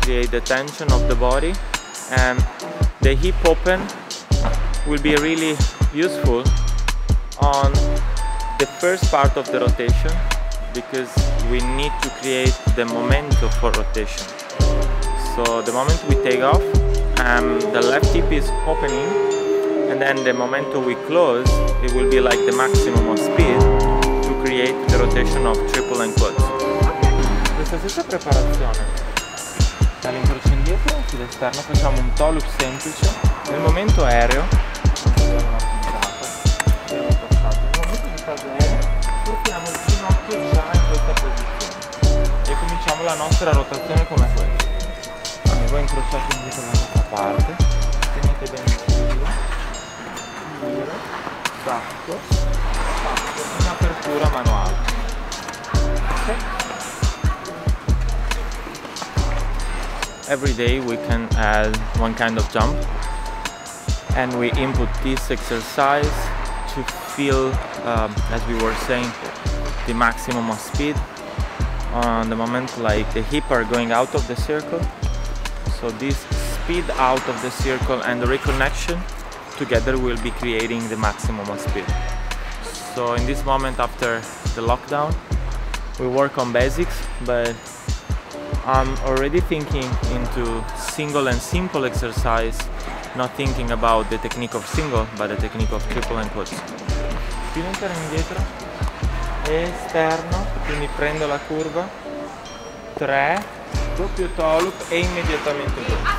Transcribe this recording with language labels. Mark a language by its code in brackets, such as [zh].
[en] The tension of the body, and the hip open will be really useful on the first part of the rotation, because we need to create the momentum for rotation. So the moment we take off, the left hip is opening, and then the momentum we close, it will be like the maximum of speed to create the rotation of triple and quads. [it] Questa stessa preparazione. Dall'incrocio indietro, sull'esterno esterno, facciamo un tolup semplice. Nel momento aereo, portiamo il ginocchio già in questa posizione e cominciamo la nostra rotazione come questa. Quindi voi incrociate indietro la nostra parte, tenete bene il filo, giro, stacco, un'apertura manuale. [en] Okay. Every day we can add one kind of jump, and we input this exercise to feel, as we were saying, the maximum of speed on the moment like the hip are going out of the circle. So this speed out of the circle and the reconnection together will be creating the maximum of speed. So in this moment after the lockdown we work on basics, but I'm already thinking into single and simple exercise, not thinking about the technique of single, but the technique of triple and quads. [it] Filo interno indietro, esterno, quindi prendo la curva, 3, doppio tolup e immediatamente giù.